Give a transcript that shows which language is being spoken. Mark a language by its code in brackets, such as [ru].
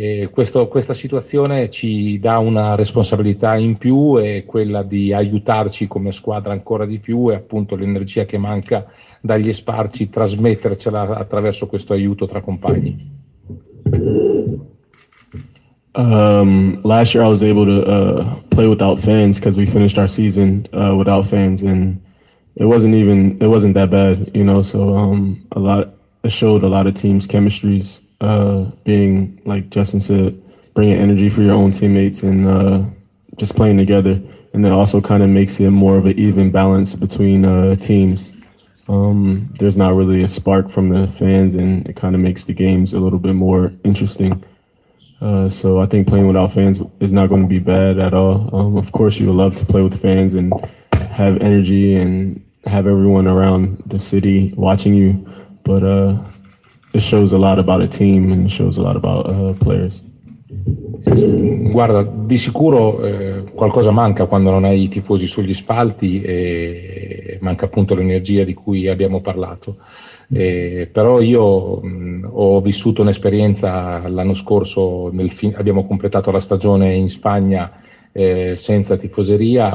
[it] Questa situazione ci dà una responsabilità in più, e quella di aiutarci come squadra ancora di più, e appunto l'energia che manca dagli sparci trasmettercela attraverso questo aiuto tra compagni. [en] Last year I was able to play without fans because we finished our season without fans, and it wasn't that bad, you know. So it showed a lot of teams' chemistries. Being, like Justin said, bringing energy for your own teammates and just playing together. And it also kind of makes it more of an even balance between teams. There's not really a spark from the fans, and it kind of makes the games a little bit more interesting. So I think playing without fans is not going to be bad at all. Of course, you would love to play with the fans and have energy and have everyone around the city watching you. But it shows a lot about a team and it shows a lot about players. [it] Guarda, di sicuro qualcosa manca quando non hai i tifosi sugli spalti, e manca appunto l'energia di cui abbiamo parlato. Però io ho vissuto un'esperienza l'anno scorso, abbiamo completato la stagione in Spagna senza tifoseria.